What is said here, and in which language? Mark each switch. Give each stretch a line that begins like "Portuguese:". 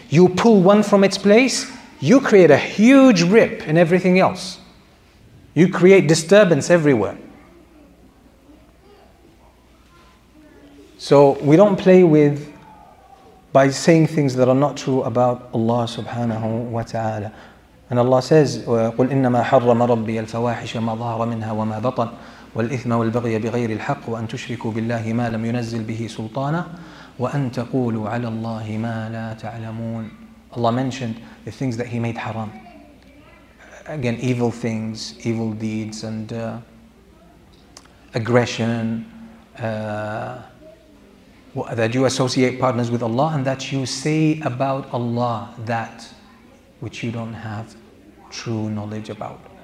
English: You pull one from its place, you create a huge rip in everything else. You create disturbance everywhere. So we don't play with by saying things that are not true about Allah subhanahu wa ta'ala. And Allah says,
Arabic: قُلْ إِنَّمَا حَرَّمَ رَبِّيَ الْفَوَاحِشَ مَا ظَهَرَ مِنْهَا وَمَا بَطَنَ والإثم والبغي بغير الحق وأن تشركوا بالله ما لم ينزل به سلطانا وأن تقولوا على الله ما لا تعلمون.
English: Allah mentioned the things that he made haram. Again, evil things, evil deeds, and aggression, that you associate partners with Allah, and that you say about Allah that which you don't have true knowledge about.